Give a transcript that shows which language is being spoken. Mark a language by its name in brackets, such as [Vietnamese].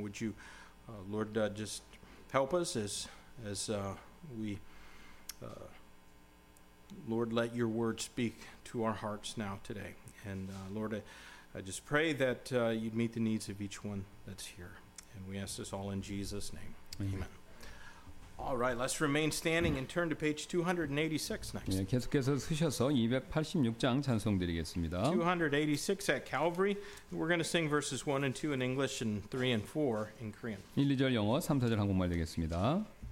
[English] Would you, Lord, just help us as we Lord, let your word speak to our hearts now today. And Lord, I just pray that you'd meet the needs of each one that's here. And we ask this all in Jesus' name. Amen. Amen. All right, let's remain standing and turn to page 286 next. [Korean] 예, 계속해서 쓰셔서 286장 찬송 드리겠습니다. [English] 286 at Calvary. We're going to sing verses 1 and 2 in English and 3 and 4 in Korean. [Korean] 1, 2절 영어, 3, 4절 한국말 되겠습니다.